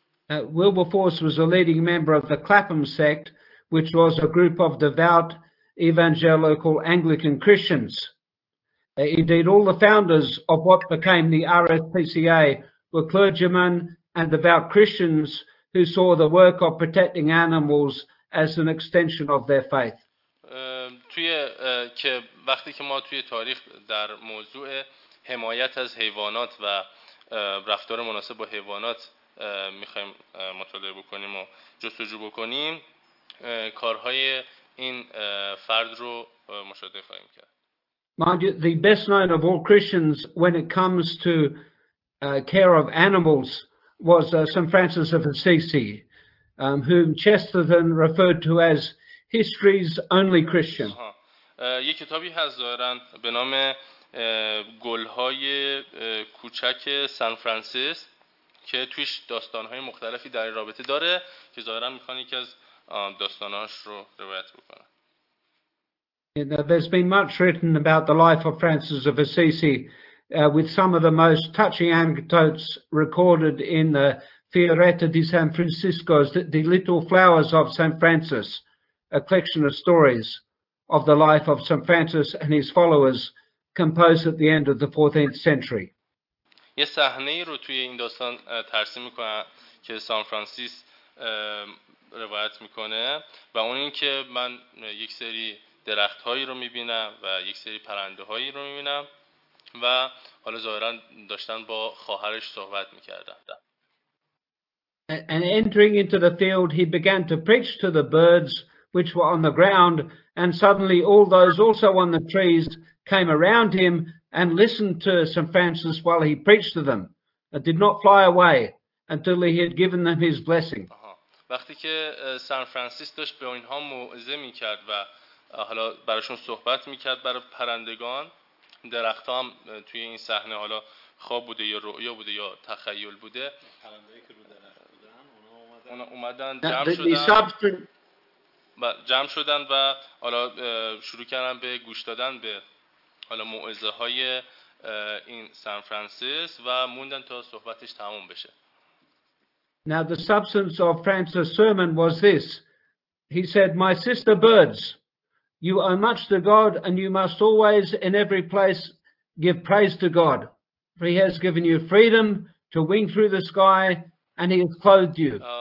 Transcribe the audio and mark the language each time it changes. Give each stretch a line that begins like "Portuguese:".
English: Wilberforce was a leading member of the Clapham sect, which was a group of devout evangelical Anglican Christians. Indeed, all the founders of what became the RSPCA were clergymen and devout Christians who saw the work of protecting animals as an extension of their faith.
Persian: توی که وقتی که ما توی تاریخ در موضوع حمایت از حیوانات و رفتار مناسب با حیوانات می‌خوایم مطالعه بکنیم و جستجو بکنیم، کارهای این فرد رو مشاهده خواهیم کرد.
English: Mind you, the best known of all Christians when it comes to care of animals was St. Francis of Assisi, whom Chesterton referred to as history's only Christian.
Persian: یک کتابی هست دارن به نام گل‌های کوچک سن فرانسیس که توش داستان‌های مختلفی در رابطه داره که ظاهراً می‌خوان یکی از داستان‌هاش رو روایت بکنه.
English: There's been much written about the life of Francis of Assisi, with some of the most touching anecdotes recorded in the Fioretta di San Francisco, the Little Flowers of St. Francis, a collection of stories of the life of St. Francis and his followers, composed at the end of the 14th century.
Persian: یه صحنه رو توی این داستان ترسیم میکنه که سان فرانسیس روایت میکنه و اون این که من یک سری درخت هایی رو میبینم و یک سری پرنده هایی رو میبینم و حالا ظاهراً داشتن با خواهرش صحبت میکردن.
English: And entering into the field, he began to preach to the birds which were on the ground, and suddenly all those also on the trees came around him and listened to St. Francis while he preached to them, and did not fly away until he had given them his blessing.
Persian: وقتی که سان فرانسیس داشت به اینها موعظه میکرد و حالا براشون صحبت میکرد برای پرندگان، درخت ها هم توی این صحنه حالا خواب بوده یا رؤیا بوده یا تخیل بوده، پرندهایی که رو درخت بودن اونا اومدن جمع شدن.
English: The substance,
Persian: جمع شدن و حالا شروع کردن به گوش دادن به حالا موعظه های این سان فرانسیس و موندن تا صحبتش تموم بشه.
English: Now the substance of Francis' sermon was this. He said, "My sister birds, you owe much to God, and you must always, in every place, give praise to God. For He has given you freedom to wing through the sky, and He has clothed you."